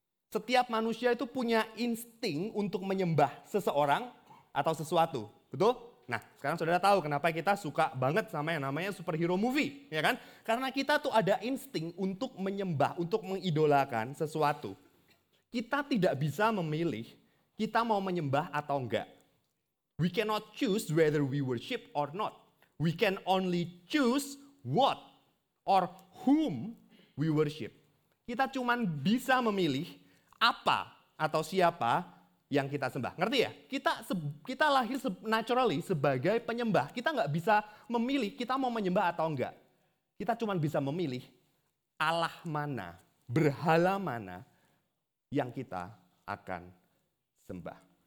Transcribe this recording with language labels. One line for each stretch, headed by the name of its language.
Indonesian: Setiap manusia itu punya insting untuk menyembah seseorang atau sesuatu, betul? Nah, sekarang saudara tahu kenapa kita suka banget sama yang namanya
English: superhero movie,
Indonesian: ya kan? Karena kita tuh ada insting untuk menyembah, untuk mengidolakan sesuatu. Kita tidak bisa memilih kita mau menyembah atau enggak.
English: We cannot choose whether we worship or not. We can only choose what or whom we worship.
Indonesian: Kita cuman bisa memilih apa atau siapa yang kita sembah. Ngerti ya? Kita lahir naturally sebagai penyembah. Kita enggak bisa memilih kita mau menyembah atau enggak. Kita cuman bisa memilih Allah mana, berhala mana, yang kita akan sembah.